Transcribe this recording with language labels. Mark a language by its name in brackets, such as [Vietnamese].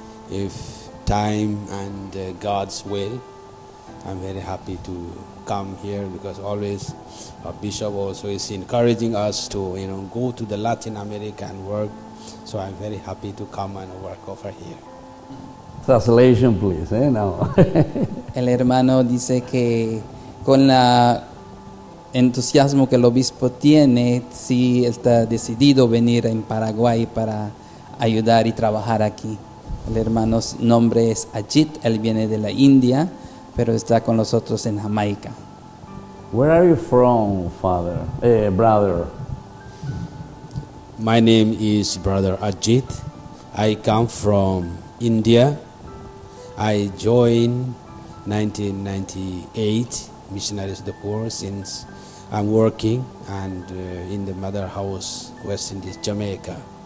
[English] If time and God's will, I'm very happy to come here, because always our bishop also is encouraging us to, you know, go to the Latin America and work. So I'm very happy to come and work over here. Translation, please. Now. [Spanish] El hermano dice que con la entusiasmo que el obispo tiene, sí está decidido venir en Paraguay para ayudar y trabajar aquí. El hermano's nombre es Ajit, él viene de la India, pero está con nosotros en Jamaica. [English] Where are you from, father? Brother. My name is Brother Ajit. I come from India. I joined 1998 Missionaries of the Poor, since I'm working and in the mother house, West Indies, Jamaica.